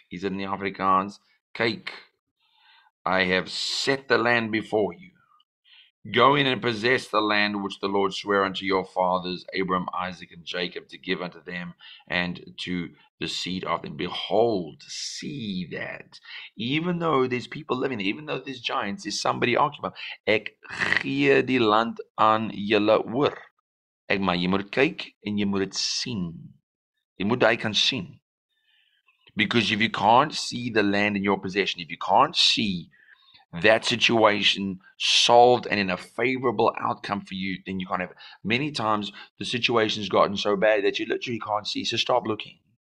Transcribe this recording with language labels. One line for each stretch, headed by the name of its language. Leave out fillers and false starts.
English: Is it in the Afrikaans? Cake. I have set the land before you. Go in and possess the land which the Lord sware unto your fathers, Abraham, Isaac, and Jacob, to give unto them and to the seed of them. Behold, see that. Even though there's people living there, even though there's giants, there's somebody occupied.
Afrikaans: Ek gee die land aan julle oor. Ek maar jy moet kyk en jy moet dit sien. Jy moet daai kan sien.
English: Because if you can't see the land in your possession, if you can't see that situation solved and in a favorable outcome for you, then you can't have it. Many times the situation's gotten so bad that you literally can't see. So stop looking.